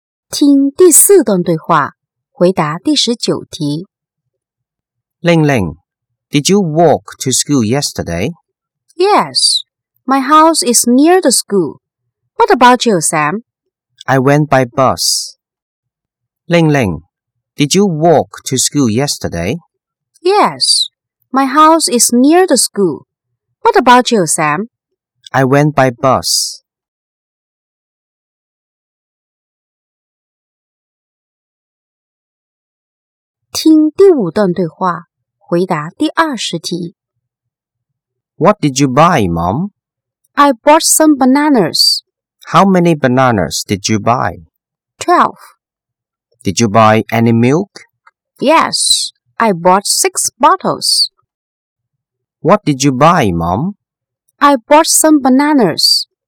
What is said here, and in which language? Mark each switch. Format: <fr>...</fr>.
<zh>听第四段对话，回答第十九题。</zh> <en>Ling Ling, did you walk to school yesterday? Yes, my house is near the school. What about you, Sam? I went by bus. Ling Ling, did you walk to school yesterday? Yes, my house is near the school. What about you, Sam? I went by bus.</en> <zh>听第五段对话，回答第二十题。</zh> <en>What did you buy, Mom? I bought some bananas. How many bananas did you buy? 12. Did you buy any milk? Yes, I bought 6 bottles. What did you buy, Mom? I bought some bananas.</en>